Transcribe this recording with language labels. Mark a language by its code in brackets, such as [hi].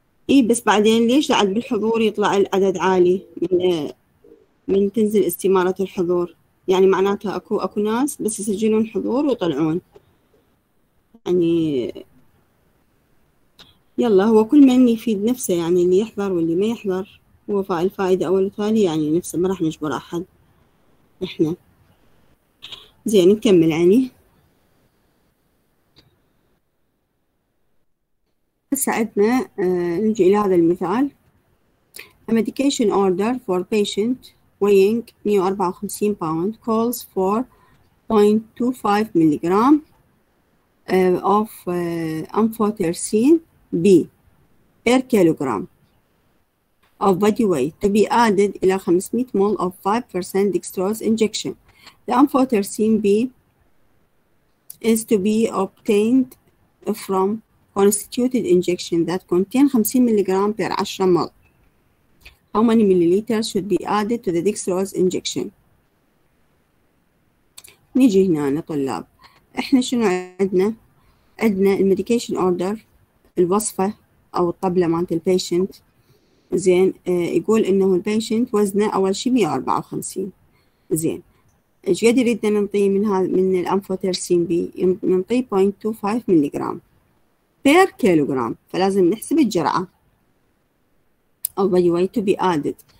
[ar] ايه، بس بعدين ليش العدد بالحضور يطلع العدد عالي من تنزل استمارة الحضور؟ يعني معناتها اكو ناس بس يسجلون حضور ويطلعون. يعني يلا، هو كل من يفيد نفسه، يعني اللي يحضر واللي ما يحضر، هو الفائدة أول وثاني يعني نفسه، ما راح نجبر أحد إحنا. زين نكمل. يعني هسه عندنا نجي إلى هذا المثال: [en] A medication order for patient weighing 154 pound calls for 0.25 milligram of amphotericin B per kilogram of body weight to be added إلى 500 مول of 5% dextrose injection. The amphotericin B is to be obtained from constituted injection that contain 50 milligram per 10 مول. How many milliliters should be added to the dextrose injection? [ar] نيجي هنا طلاب، احنا شنو عندنا؟ عندنا المديكيشن اوردر، الوصفة أو الطبلة مالت البيشنت. زين، يقول إنه البيشنت وزنه أول شي 154. زين، إيش قد يريدنا نعطيه من هذا من الأنفوتيرسين بي؟ نعطيه 0.25 ملي جرام بير كيلوغرام، فلازم نحسب الجرعة أو باي واي تو بي آدد.